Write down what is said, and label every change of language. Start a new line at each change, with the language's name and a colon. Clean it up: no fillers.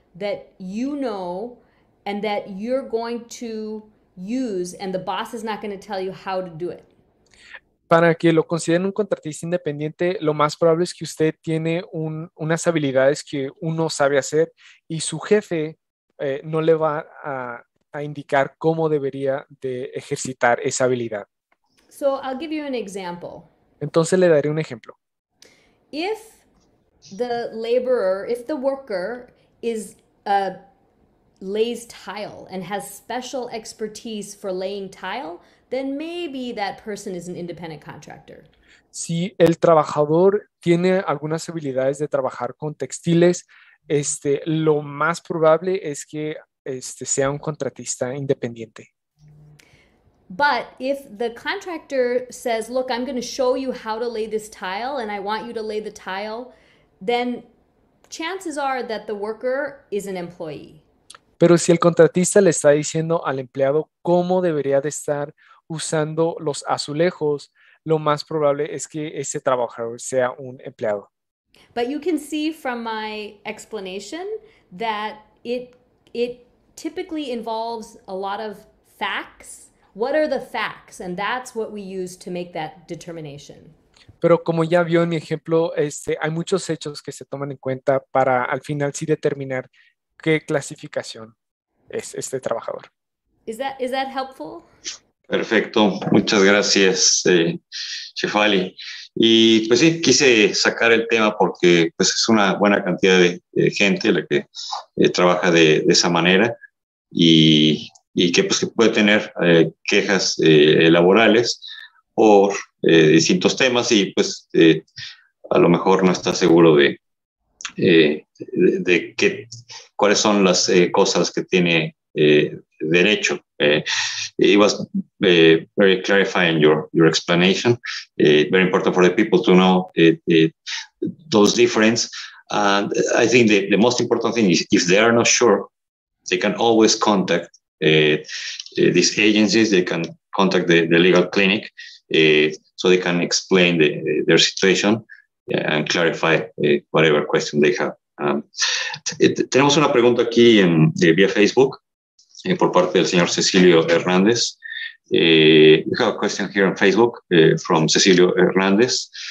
English: that you know and that you're going to use, and the boss is not going to tell you how to do it.
Spanish: Para que lo consideren un contratista independiente, lo más probable es que usted tiene unas habilidades que uno sabe hacer y su jefe no le va a indicar cómo debería de ejercitar esa habilidad.
English: So I'll give you an example.
Spanish: Entonces le daré un ejemplo.
English: If the laborer, if the worker is a lays tile and has special expertise for laying tile, then maybe that person is an independent contractor.
Spanish: Si el trabajador tiene algunas habilidades de trabajar con textiles, lo más probable es que sea un contratista independiente.
English: But if the contractor says, look, I'm going to show you how to lay this tile and I want you to lay the tile, then chances are that the worker is an employee.
Spanish: Pero si el contratista le está diciendo al empleado cómo debería de estar usando los azulejos, lo más probable es que ese trabajador sea un empleado.
English: But you can see from my explanation that it typically involves a lot of facts. What are the facts? And that's what we use to make that determination.
Spanish: Pero como ya vio en mi ejemplo, hay muchos hechos que se toman en cuenta para al final sí determinar qué clasificación es este trabajador.
English: Is that helpful?
Spanish: Perfecto, muchas gracias, Shefali. Y pues sí, quise sacar el tema porque pues, es una buena cantidad de gente la que trabaja de esa manera y que, pues, que puede tener quejas laborales por distintos temas y pues a lo mejor no está seguro de qué, cuáles son las cosas que tiene derecho.
English: It was very clarifying your explanation. Very important for the people to know those differences. And I think the most important thing is if they are not sure, they can always contact these agencies. They can contact the legal clinic so they can explain their situation and clarify whatever question they have.
Spanish: Tenemos una pregunta aquí en vía Facebook por parte del señor Cecilio Hernández.
English: We have a question here on Facebook from Cecilio Hernández.